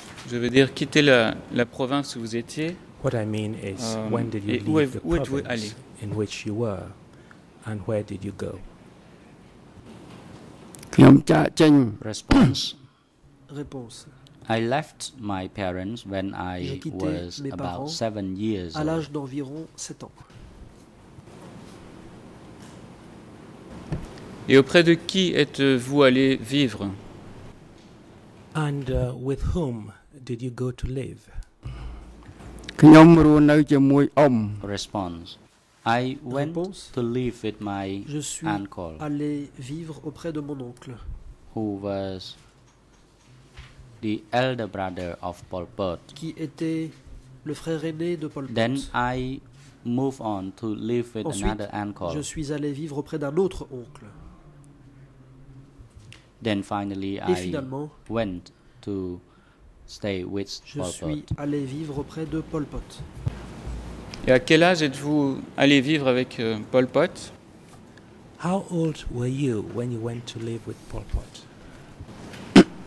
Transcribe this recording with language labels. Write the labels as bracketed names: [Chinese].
[French] Je veux dire quitter la province où vous étiez. [English] What I mean is when did you leave the province in which you were and where did you go? [French] Réponse. [English] I left my parents when I was about 7 years old. [French] À l'âge d'environ 7 ans. Et auprès de qui êtes-vous allé vivre? [English] And with whom did you go to live? Response. I went [French] Réponse. [English] To live with my [French] Je suis [English] uncle, [French] allé vivre auprès de mon oncle, [English] who was the elder brother of Pol Pot. [French] Qui était le frère aîné de Pol Pot. [English] Then I moved on to live with [French] Ensuite, [English] another uncle. [French] Je suis allé vivre auprès d'un autre oncle. [English] Then finally, I went to stay with [French] Je [English] Pol Pot. [French] Je suis allé vivre auprès de Pol Pot. Et à quel âge êtes-vous allé vivre avec Pol Pot? [English] How old were you when you went to live with Pol Pot?